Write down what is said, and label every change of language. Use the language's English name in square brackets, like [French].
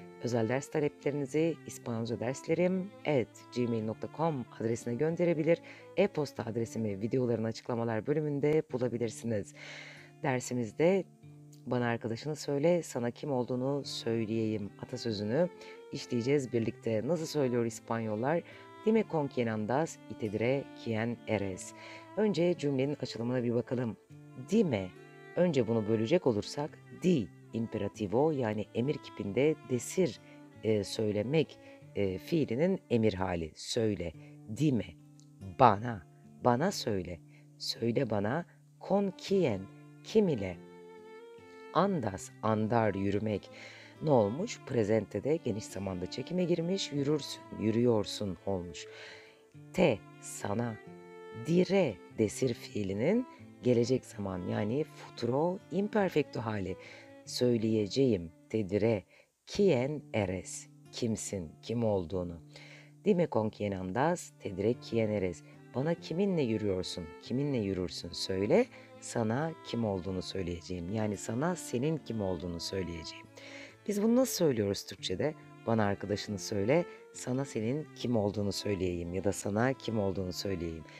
[Turkish] Özel ders taleplerinizi ispanolcadersleri@gmail.com adresine gönderebilir. E-posta adresimi videoların açıklamalar bölümünde bulabilirsiniz. Dersimizde bana arkadaşını söyle, sana kim olduğunu söyleyeyim atasözünü işleyeceğiz birlikte. Nasıl söylüyor İspanyollar? [Spanish] Dime con quién andas y te diré quién eres. [Turkish] Önce cümlenin açılımına bir bakalım. Dime, önce bunu bölecek olursak, di, imperativo yani emir kipinde, decir, söylemek, fiilinin emir hali, söyle. Dime, bana, bana söyle, söyle bana, [Spanish] con quién, [Turkish] kim ile. Andas, andar, yürümek. Ne olmuş? Prezente de geniş zamanda çekime girmiş. Yürürsün, yürüyorsun olmuş. Te, sana. Dire, desir fiilinin gelecek zaman yani futuro imperfecto hali. Söyleyeceğim, [Spanish] te dire. Quién eres, [Turkish] kimsin, kim olduğunu. [Spanish] Dime con quién andas, te dire quién eres. [Turkish] Bana kiminle yürüyorsun, kiminle yürürsün söyle. Sana kim olduğunu söyleyeceğim. Yani sana senin kim olduğunu söyleyeceğim. Biz bunu nasıl söylüyoruz Türkçe'de? Bana arkadaşını söyle, sana senin kim olduğunu söyleyeyim ya da sana kim olduğunu söyleyeyim.